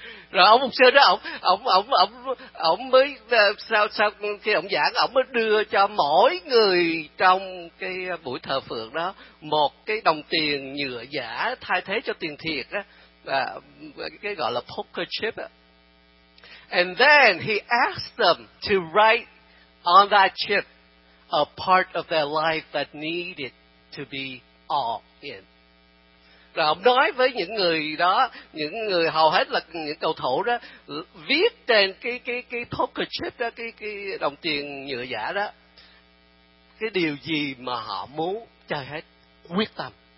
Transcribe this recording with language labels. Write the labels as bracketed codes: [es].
[vi] Rồi ông mục sư đó ông mới sau khi ông giảng, ông mới đưa cho mỗi người trong cái buổi thờ phượng đó một cái đồng tiền nhựa giả thay thế cho tiền thiệt á, cái gọi là poker chip á. [en] And then he asked them to write on that chip a part of their life that needed to be all in. [vi] Rồi ông nói với những người đó, những người hầu hết là những cầu thủ đó, viết trên cái poker chip đó, cái đồng tiền nhựa giả đó, cái điều gì mà họ muốn chơi hết, quyết tâm.